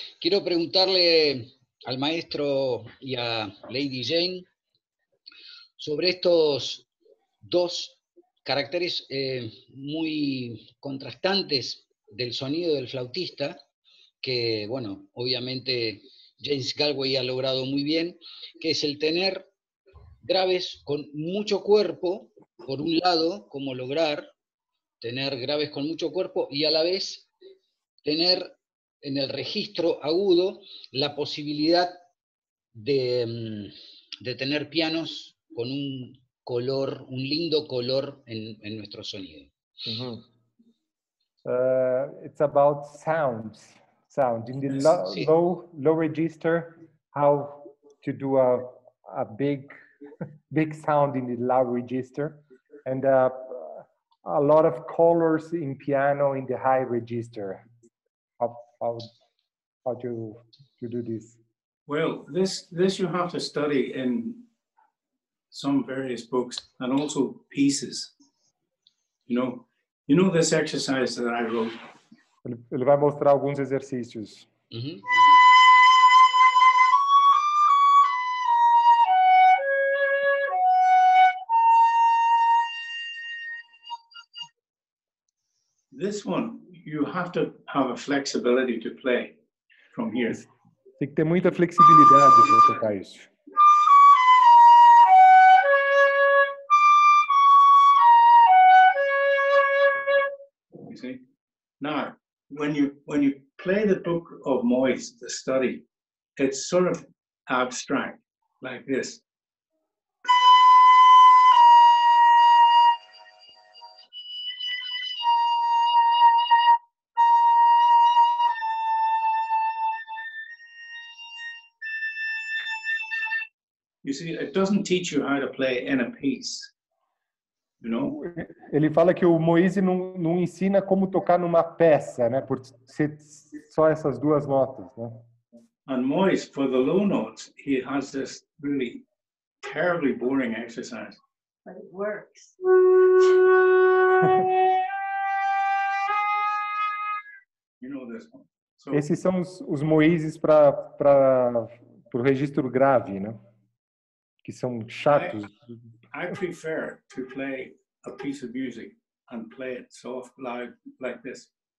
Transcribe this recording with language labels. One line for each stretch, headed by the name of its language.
Spanish: Quiero preguntarle al maestro y a Lady Jane sobre estos dos caracteres muy contrastantes del sonido del flautista, que, bueno, obviamente James Galway ha logrado muy bien, que es el tener graves con mucho cuerpo, por un lado, como lograr tener graves con mucho cuerpo, y a la vez tener en el registro agudo la posibilidad de tener pianos con un color, un lindo color en nuestro sonido. Uh-huh.
English: It's about sound in the low register, how to do a big sound in the low register, and a lot of colors in piano in the high register. How to do this? Well, this you have to study in some various books and also pieces, you know. You know this exercise that I wrote?
Portuguese: Ele vai mostrar alguns exercícios.
English: This one, you have to have a flexibility to play from here.
Portuguese: Tem que ter muita flexibilidade para tocar isso.
English: Now, when you play the book of Moyes, the study, it's sort of abstract, like this. You see, it doesn't teach you how to play in a piece.
Portuguese: Ele fala que o Moise não ensina como tocar numa peça, né? Por ser só essas duas notas, né?
English: And Moise, for the low notes, he has this really terribly boring exercise. But it works. You You know this one.
Portuguese: So, esses são os moízes para o registro grave, né? Que são chatos.
English: I prefer to play a piece of music and play it soft, loud, like this.